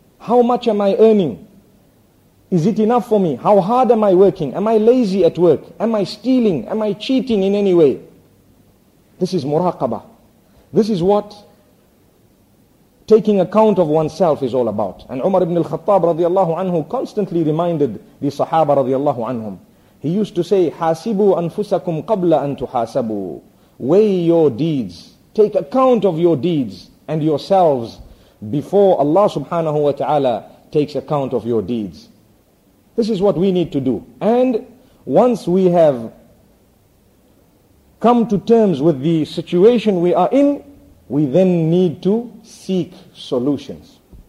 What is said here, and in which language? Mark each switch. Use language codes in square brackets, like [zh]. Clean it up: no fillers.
[en] How much am I earning? Is it enough for me? How hard am I working? Am I lazy at work? Am I stealing? Am I cheating in any way? This is muraqabah. This is what taking account of oneself is all about. And Umar ibn al-Khattab radiallahu anhu constantly reminded the Sahaba radiallahu anhum. He used to say, [ar] حَاسِبُوا أَنفُسَكُمْ قَبْلَ أَن تُحَاسَبُوا. [en] Weigh your deeds. Take account of your deeds and yourselves before Allah subhanahu wa ta'ala takes account of your deeds. This is what we need to do. And once we have come to terms with the situation we are in, we then need to seek solutions.